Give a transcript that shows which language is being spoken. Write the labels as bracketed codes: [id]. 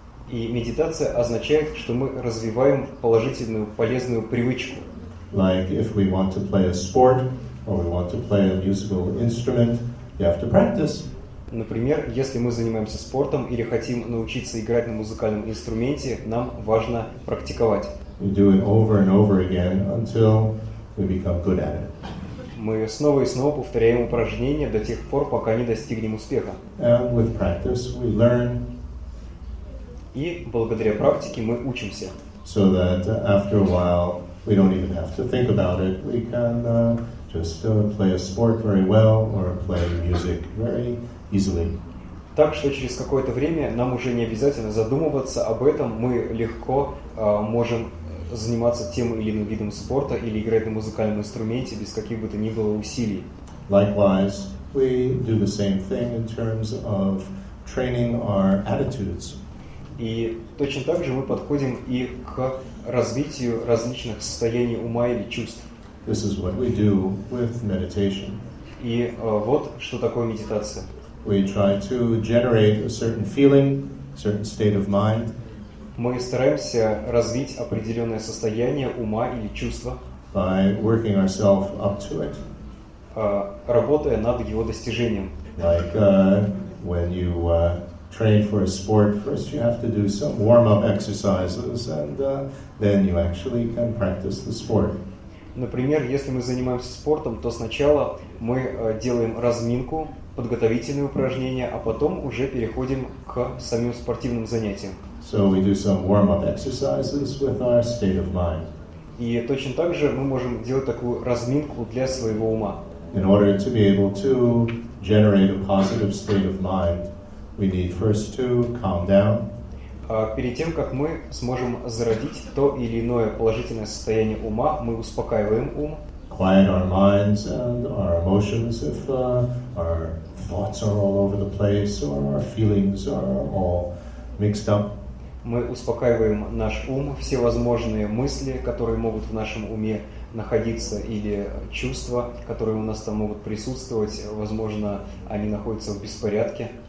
[ru] И медитация означает, что мы развиваем положительную, полезную привычку. [en] Like if we want to play a sport or we want to play a musical instrument, you have to practice. [ru] Например, если мы занимаемся спортом или хотим научиться играть на музыкальном инструменте, нам важно практиковать. [en] We do it over and over again until we become good at it. [ru] Мы снова и снова повторяем упражнения до тех пор, пока не достигнем успеха. [en] And with practice we learn. [ru] И благодаря практике мы учимся. [en] So that after a while we don't even have to think about it. We can just play a sport very well or play music very easily. [ru] Так что через какое-то время нам уже не обязательно задумываться об этом. Мы легко можем заниматься тем или иным видом спорта или играть на музыкальном инструменте без каких бы то ни было усилий. [en] Likewise, we do the same thing in terms of training our attitudes. [ru] И точно так же мы подходим и к развитию различных состояний ума или чувств. [en] This is what we do with meditation. [ru] И вот что такое медитация. [en] We try to generate a certain feeling, a certain state of mind. [ru] Мы стараемся развить определенное состояние ума или чувства. [en] By working ourselves up to it. [ru] Работая над его достижением. [en] Like when you train for a sport, first you have to do some warm-up exercises, and then you actually can practice the sport. [ru] Например, если мы занимаемся спортом, то сначала мы делаем разминку, подготовительные упражнения, а потом уже переходим к самим спортивным занятиям. [en] So we do some warm-up exercises with our state of mind. [ru] И точно так же мы можем делать такую разминку для своего ума. [en] In order to be able to generate a positive state of mind, we need first to calm down. [ru] Перед тем, как мы сможем зародить то или иное положительное состояние ума, мы успокаиваем ум. [en] Quiet our minds and our emotions if our thoughts are all over the place or our feelings are all mixed up. [ru] Мы успокаиваем наш ум, все возможные мысли, которые могут в нашем уме находиться, или чувства, которые у нас там могут присутствовать, возможно, они находятся в беспорядке.